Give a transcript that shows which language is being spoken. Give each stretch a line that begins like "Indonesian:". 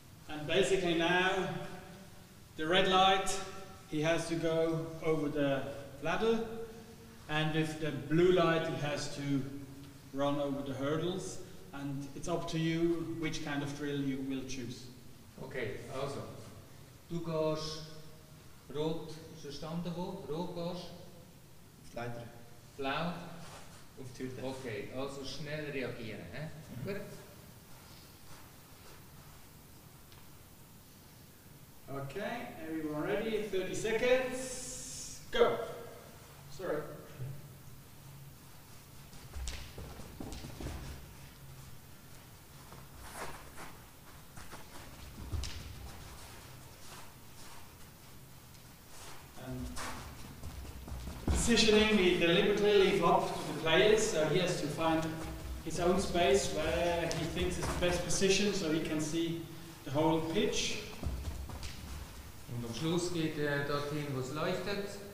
English: And basically now the red light, he has to go over the ladder, and with the blue light he has to run over the hurdles, and it's up to you which kind of drill you will choose.
German: Okay, also, du gehst rot, ist verstanden wo? Rot gehst? Auf die Leiter. Blau? Auf die Tür. Okay, also schnell reagieren, he? Gut.
English: Okay, everyone ready? 30 seconds. Go. Sorry. And positioning, we deliberately leave up to the players, so he has to find his own space where he thinks is the best position, so he can see the whole pitch.
German: Und am Schluss geht er dorthin, wo es leuchtet.